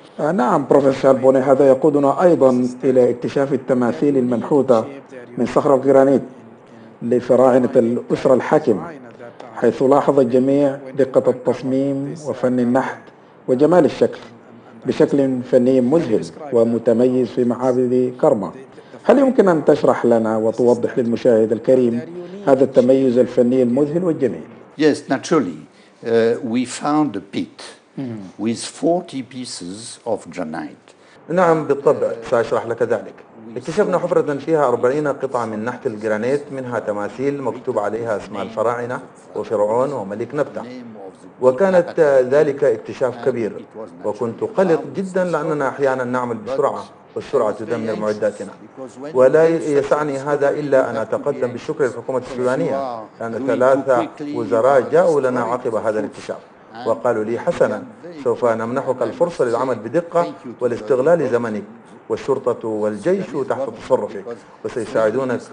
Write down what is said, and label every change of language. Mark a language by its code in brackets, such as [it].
[ar] نعم بروفيسور البوني، هذا يقودنا أيضا إلى اكتشاف التماثيل المنحوتة من صخرة الجرانيت لفراعنة الأسرة الحاكمة، حيث لاحظ الجميع دقة التصميم وفن النحت وجمال الشكل بشكل فني مذهل ومتميز في معابد كرمة. هل يمكن أن تشرح لنا وتوضح للمشاهد الكريم هذا التميز الفني المذهل والجميل؟ [en] Yes, naturally, we found a pit with 40 pieces of granite. [ar] نعم بالطبع، سأشرح لك ذلك. اكتشفنا حفرة فيها 40 قطعة من نحت الجرانيت، منها تماثيل مكتوب عليها اسماء الفراعنة وفرعون وملك نبتة، وكانت ذلك اكتشاف كبير، وكنت قلق جدا لأننا أحيانا نعمل بسرعة والسرعة تدمر معداتنا، ولا يسعني هذا إلا أن أتقدم بالشكر للحكومة السودانية، لأن 3 وزراء جاءوا لنا عقب هذا الاكتشاف وقالوا لي حسنا سوف نمنحك الفرصة للعمل بدقة والاستغلال زمنك، والشرطة والجيش تحت تصرفك وسيساعدونك.